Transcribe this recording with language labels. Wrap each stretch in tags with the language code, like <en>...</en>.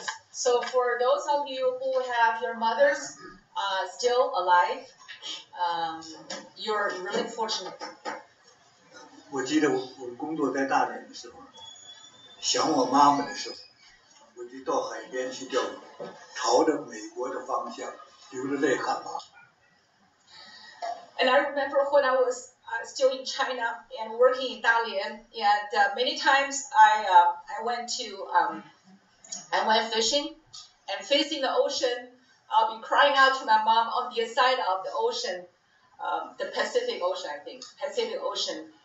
<en>So for those of you who have your mothers still alive, you're really fortunate.</en> <zh>我记得我工作在大连的时候，想我妈妈的时候，我就到海边去钓鱼，朝着美国的方向流着泪看妈。And</zh> <en>I remember when I was still in China and working in Dalian, and many times I went fishing, and facing the ocean, I'll be crying out to my mom on the side of the ocean, the Pacific Ocean, I think, Pacific Ocean.</en>